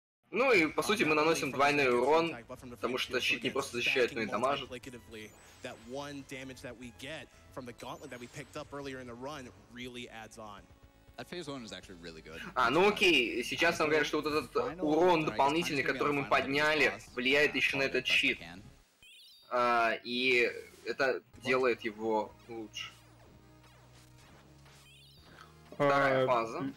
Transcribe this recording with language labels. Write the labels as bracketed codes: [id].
[ru] Ну и, по сути, мы наносим двойной урон, потому что щит не просто защищает, но и дамажит. [en] That one damage that we get from the gauntlet that we picked up earlier in the run really adds on. That phase one was actually really good. [ru] А, ну окей, сейчас нам говорят, что вот этот урон дополнительный, который мы подняли, влияет еще на этот щит. И это делает его лучше. Вторая фаза.